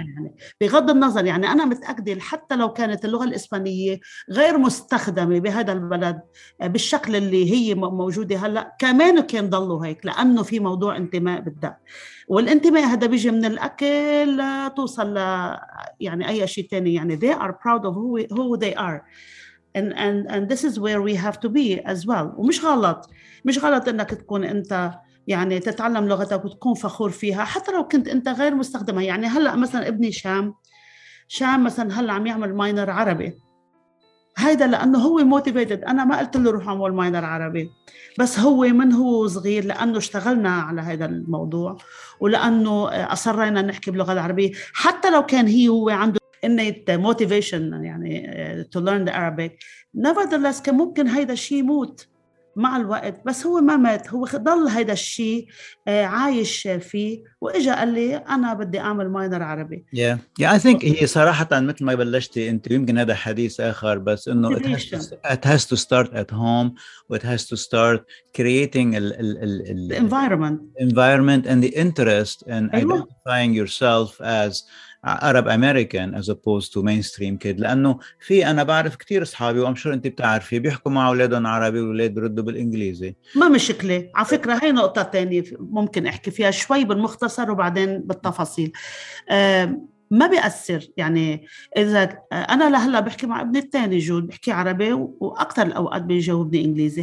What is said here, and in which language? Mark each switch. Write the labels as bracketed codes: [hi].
[ar] يعني بغض النظر يعني انا متاكده حتى لو كانت اللغه الاسبانيه غير مستخدمه بهذا البلد بالشكل اللي هي موجوده هلا, كمان كان ضلوا هيك لانه في موضوع انتماء بالده. والانتماء هذا بيجي من الاكل لتوصل يعني اي شيء تاني. [en] يعني they are proud of who they are. And this is where we have to be as well. [ar] ومش غلط, مش غلط إنك تكون أنت يعني تتعلم لغتك وتكون فخور فيها حتى لو كنت أنت غير مستخدمها. يعني هلأ مثلا ابني شام مثلا هلأ عم يعمل ماينر عربي, هيدا لأنه هو موتيفيتد. أنا ما قلت له روح عمول ماينر عربي, بس هو من هو صغير لأنه اشتغلنا على هذا الموضوع ولأنه أصرينا نحكي باللغة العربية حتى لو كان هو عنده innate motivation يعني [en] to learn the Arabic. [ar] Nevertheless كان ممكن هيدا الشيء يموت مع الوقت, بس هو ما مات, هو ضل هيدا الشيء عايش فيه. وإجا قال لي أنا بدي أعمل ماينر عربي. [en] Yeah I think [ar] هي صراحة مثل ما بلشتي أنت, يمكن هذا حديث آخر, بس إنه [en] it has to start at home, it has to start creating the environment and the interest and in identifying yourself as Arab American as opposed to mainstream kid. [ar] لأنه في أنا بعرف كتير أصحابي وأم شور أنت بتعرفي بيحكوا مع أولادهم عربي والولاد بردوا بالإنجليزي. ما مشكلة على فكرة, هاي نقطة تانية ممكن أحكي فيها شوي بالمختصر وبعدين بالتفاصيل. ما بيأثر يعني إذا أنا لهلا بحكي مع ابني الثاني جود بحكي عربي وأكثر الأوقات بيجاوبني إنجليزي.